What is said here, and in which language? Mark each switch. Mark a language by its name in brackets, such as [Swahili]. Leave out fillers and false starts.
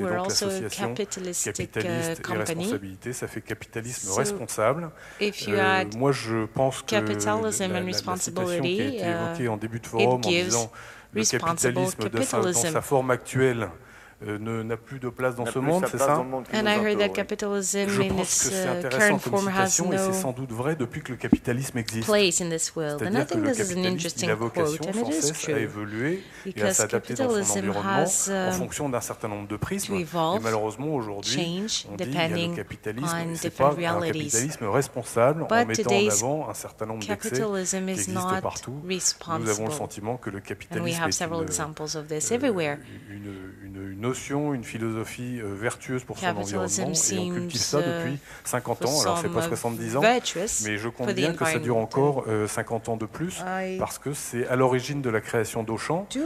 [French] Et donc, l'association capitaliste et responsabilité, ça fait capitalisme responsable. Moi, je pense que la citation qui a été évoquée en début de forum en disant le capitalisme dans sa forme actuelle n'a plus de place dans ce monde, c'est ça ? [English] And I heard that capitalism in its current form has no [French] sans doute vrai depuis que le capitalisme existe. [English] Place in this world. And I think this is an interesting quote, and it is true. [French] A évolué et à s'adapter dans son environnement en fonction d'un certain nombre de prismes. Et malheureusement, aujourd'hui, on dit qu'il y a le capitalisme, mais c'est pas un capitalisme responsable en mettant en avant un certain nombre d'excès qui existent partout. Nous avons le sentiment que le capitalisme est une notion, une philosophie vertueuse pour son environnement, et on cultive ça depuis 50 ans, alors c'est pas 70 ans, mais je compte bien que ça dure encore 50 ans de plus, parce que c'est à l'origine de la création d'Auchan,